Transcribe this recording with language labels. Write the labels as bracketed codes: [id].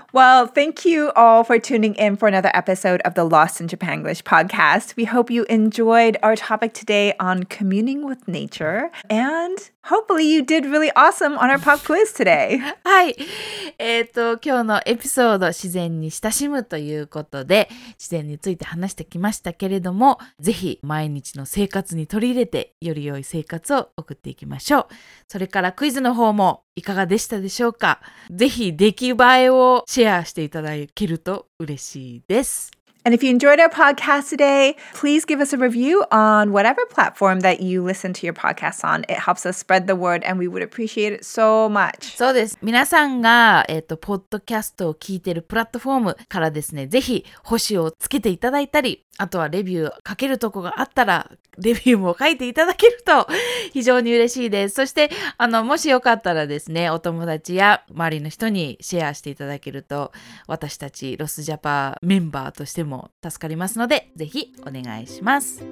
[en] Well, thank you all for tuning in for another episode of the Lost in Japan English podcast. We hope you enjoyed our topic today on communing with nature. And hopefully you did really awesome on our pop quiz today. [ja] はい。今日のエピソード、自然に親しむということで、自然について話してきましたけれども、ぜひ毎日の生活に取り入れて、より良い生活を送っていきましょう。それからクイズの方もいかがでしたでしょうか。ぜひ出来栄えをシェアしていただけると嬉しいです。 [en] And if you enjoyed our podcast today, please give us a review on whatever platform that you listen to your podcast on. It helps us spread the word and we would appreciate it so much. [ja] そうです。皆さんが、ポッドキャストを聞いているプラットフォームからですね、ぜひ星をつけていただいたり、あとはレビュー書けるとこがあったら、レビューも書いていただけると非常に嬉しいです。そして、もしよかったらですね、お友達や周りの人にシェアしていただけると、私たちロスジャパメンバーとしてでも助かりますのでぜひお願いします。